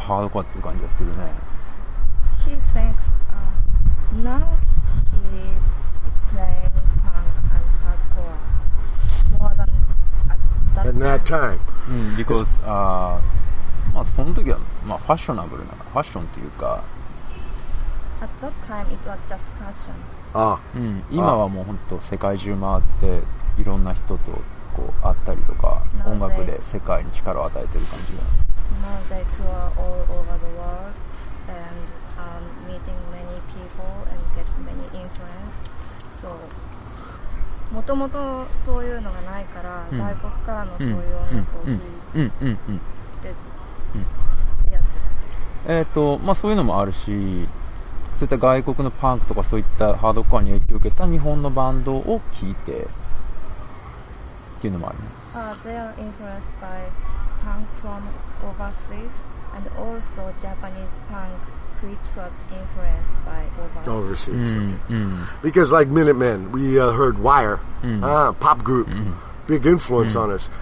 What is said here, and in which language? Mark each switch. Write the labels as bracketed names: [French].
[English] He thinks now he is playing punk and hardcore more than. In that time. Because, [Japanese] まあその時は、まあファッショナブルな、ファッションというか。 [English] At that time, it was just fashion. [Japanese] 今はもう本当世界中回って、いろんな人とこう会ったりとか、音楽で世界に力を与えてる感じが。 [English] Now they tour all over the world, and meeting many people and get many influence. So, [Japanese] もともとそういうのがないから、外国からのそういう音楽を聴いてやってた。まあそういうのもあるし、そういった外国のパンクとかそういったハードコアに影響を受けた日本のバンドを聴いてっていうのもあるね。 [English] They are influenced by punk from overseas and also Japanese punk which was influenced by overseas. Overseas, okay. Because like Minutemen, we heard Wire, pop group, big influence on us.